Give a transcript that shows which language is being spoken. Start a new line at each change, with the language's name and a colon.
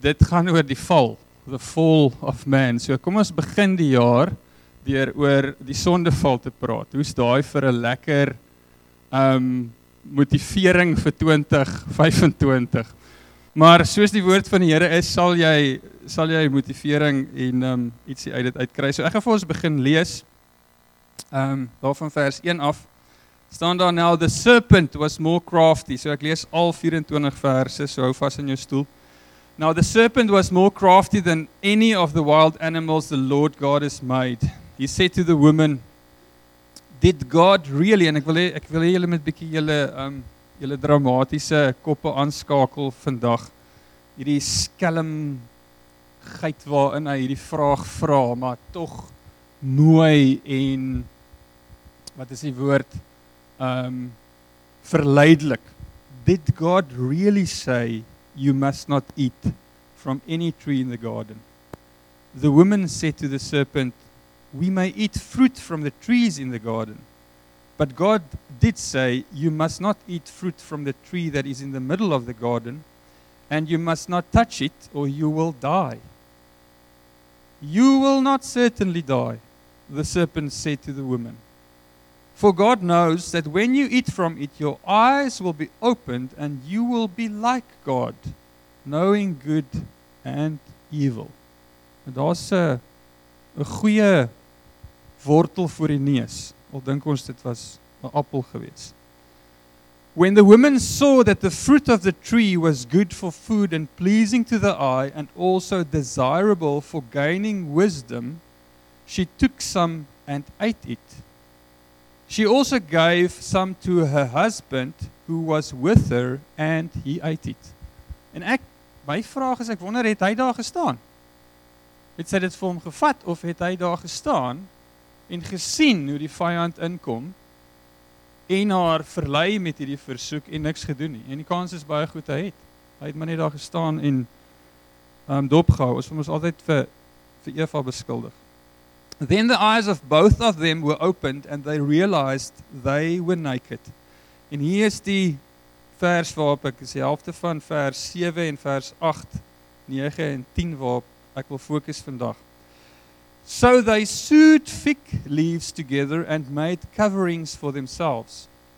Afrikaans: Dit gaan oor die val,
English: the fall of man.
Afrikaans: So kom ons begin die jaar deur oor die sondeval te praat. Hoe's daai vir 'n lekker motivering vir 2025? Maar soos die woord van die Here is, sal jy motivering en ietsie uit dit uitkry. So ek gaan vir ons begin lees daarvan vers 1 af. Staan daar,
English: now the serpent was more crafty.
Afrikaans: So ek lees al 24 verse, so hou vas in jou stoel.
English: Now the serpent was more crafty than any of the wild animals the Lord God has made. He said to the woman, did God really, and
Afrikaans: ek wil hê julle moet bietjie julle dramatiese koppe aanskakel vandag. Hierdie skelmgeit waarin hy hierdie vraag vra, maar tog mooi en wat is die woord? Verleidelik.
English: Did God really say you must not eat from any tree in the garden? The woman said to the serpent, we may eat fruit from the trees in the garden, but God did say you must not eat fruit from the tree that is in the middle of the garden, and you must not touch it or you will die. You will not certainly die, the serpent said to the woman. For God knows that when you eat from it, your eyes will be opened and you will be like God, knowing good and evil.
Afrikaans: En daar's 'n goeie wortel voor die neus. Al dink ons dit was 'n appel gewees.
English: When the woman saw that the fruit of the tree was good for food and pleasing to the eye and also desirable for gaining wisdom, she took some and ate it. She also gave some to her husband who was with her and he ate it.
Afrikaans: En ek, my vraag is, ek wonder, het hy daar gestaan? Het sy dit vir hom gevat of het hy daar gestaan en gesien hoe die vyand inkom en haar verlei met hierdie versoek en niks gedoen nie? En die kans is baie goed hy het. Hy het maar net daar gestaan en dopgehou. Ons moet altyd vir Eva beskuldig.
English: Then the eyes of both of them were opened and they realized they were naked.
Afrikaans: En hier is die vers waarop ek die helfte van vers 7 en vers 8, 9 en 10 waarop ek wil fokus vandag.
English: So they sewed fig leaves together and made coverings for themselves.